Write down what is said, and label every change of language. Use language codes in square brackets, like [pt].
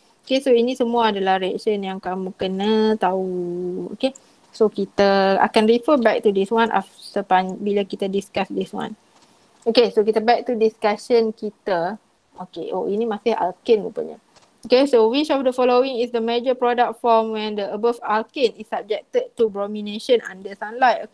[ms] Okay, so ini semua adalah reaction yang kamu kena tahu. [en] Okay, so [ms] kita akan [en] refer back to this one after [ms] bila kita [en] discuss this one. Okay, so kita back to discussion kita. [ms] Okay, oh ini masih alkene rupanya. [en] Okay, so which of the following is the major product form when the above alkene is subjected to bromination under sunlight?